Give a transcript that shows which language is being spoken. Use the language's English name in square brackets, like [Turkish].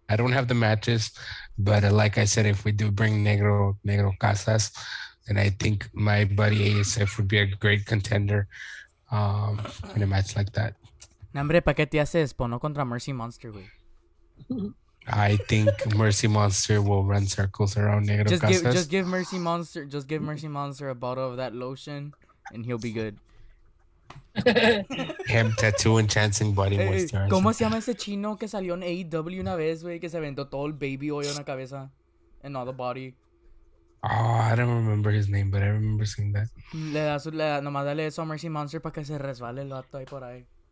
[English] I don't have the matches, but like I said, if we do bring Negro Casas, then I think my buddy ASF would be a great contender in a match like that. [Spanish] Nombre, ¿pa qué te haces? Pono contra Mercy Monster, güey. [English] I think Mercy Monster will run circles around Negro just Casas. Just give Mercy Monster a bottle of that lotion, and he'll be good. Him tattoo and chancing body moisturizer. [Spanish] ¿Cómo se llama ese chino que salió en AEW una vez, güey, que se aventó todo el baby oil en la cabeza? [English] And all the body. Oh, I don't remember his name, but I remember seeing that. [Spanish] Le da, nomás dale eso a Mercy Monster para que se resbale el vato ahí por ahí.